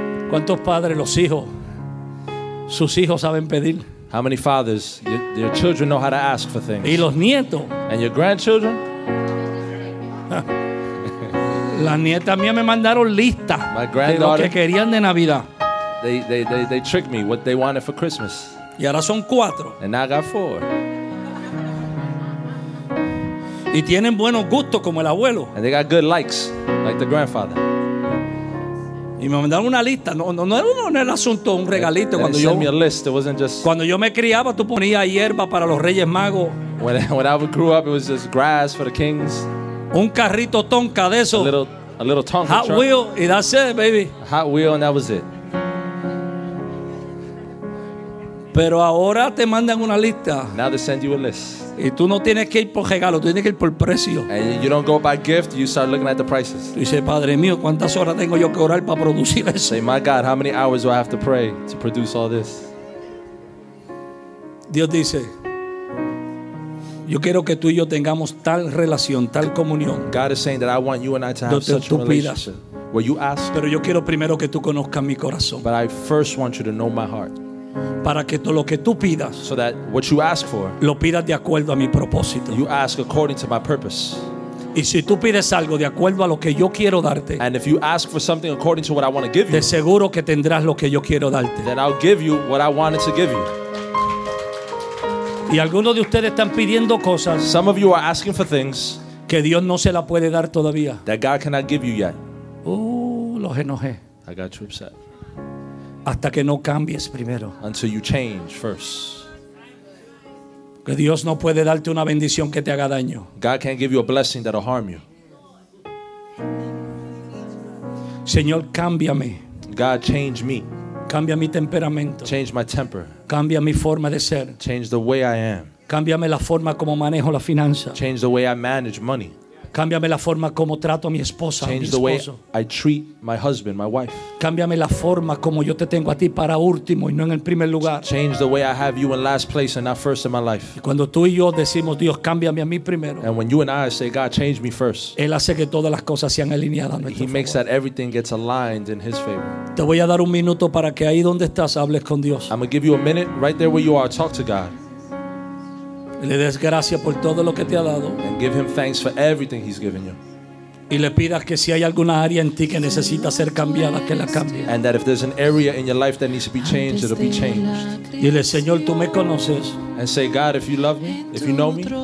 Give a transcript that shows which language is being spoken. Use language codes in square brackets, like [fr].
[es] ¿Cuántos padres, los hijos, sus hijos saben pedir? [en] How many fathers, your children know how to ask for things? [es] Y los nietos. [en] And your grandchildren? [es] Las nietas mías me mandaron lista. [en] My granddaughter. [es] De lo que querían de Navidad. [en] They tricked me what they wanted for Christmas. [es] Y ahora son cuatro. [en] And now I got four. [es] Y tienen buenos gustos como el abuelo. [en] And they got good likes, like the grandfather. [es] Y me mandaron una lista. No era asunto, un regalito. Cuando [en] they sent [es] yo, [en] me a list. It wasn't just. [es] Cuando yo me criaba, tú ponías hierba para los Reyes Magos. [en] When I grew up, it was just grass for the kings. [es] Un carrito tonka de eso. [en] A little tonka. Hot truck. Wheel, y that's it, baby. A Hot Wheel, and that was it. [es] Pero ahora te mandan una lista. [en] Now they send you a list. [es] Y tú no tienes que ir por regalo, tú tienes que ir por precio. [en] And you don't go by gift, you start looking at the prices. [es] Tú dices, Padre mío, ¿cuántas horas tengo yo que orar para producir eso? [en] Say, my God, how many hours do I have to pray to produce all this? [es] Dios dice, yo quiero que tú y yo tengamos tal relación, tal comunión. [en] God is saying that I want you and I to have such a relationship. Where you ask. [es] Pero yo quiero primero que tú conozcas mi corazón. [en] But I first want you to know my heart. [es] Para que todo lo que tú pidas, [en] so that what you ask for, [es] lo pidas de acuerdo a mi propósito. [en] You ask according to my purpose. [es] Y si tú pides algo de acuerdo a lo que yo quiero darte, [en] and if you ask for something according to what I want to give you, [es] de seguro que tendrás lo que yo quiero darte. [en] Then I'll give you what I wanted to give you. [es] Y algunos de ustedes están pidiendo cosas, [en] some of you are asking for things, [es] que Dios no se la puede dar todavía, [en] that God cannot give you yet. [es] Los enojé. [en] I got you upset. [es] Hasta que no cambies primero. [en] Until you change first. [es] Que Dios no puede darte una bendición que te haga daño. [en] God can't give you a blessing that'll harm you. [es] Señor, cámbiame. [en] God, change me. [es] Cambia mi temperamento. [en] Change my temper. [es] Cambia mi forma de ser. [en] Change the way I am. [es] Cámbiame la forma como manejo la finanza. [en] Change the way I manage money. [es] Cámbiame la forma como trato a mi esposa, [en] change [es] mi esposo. [en] The way I treat my husband, my wife. [es] Cámbiame la forma como yo te tengo a ti para último y no en el primer lugar. [en] Change the way I have you in last place and not first in my life. [es] Y cuando tú y yo decimos Dios, cámbiame a mí primero. [en] And when you and I say God, change me first. [es] Él hace que todas las cosas sean alineadas. [en] He makes that everything gets aligned in his favor. [es] Te voy a dar un minuto para que ahí donde estás hables con Dios. [en] I'm going to give you a minute right there where you are, talk to God. [es] Le des gracias por todo lo que te ha dado. [en] And give him thanks for everything he's given you. [es] Y le pidas que si hay alguna área en ti que necesita ser cambiada, que la cambie. [en] And that if there's an area in your life that needs to be changed, it'll be changed. [es] Dile, Señor, tú me conoces. [en] And say, God, if you love me, if you know me,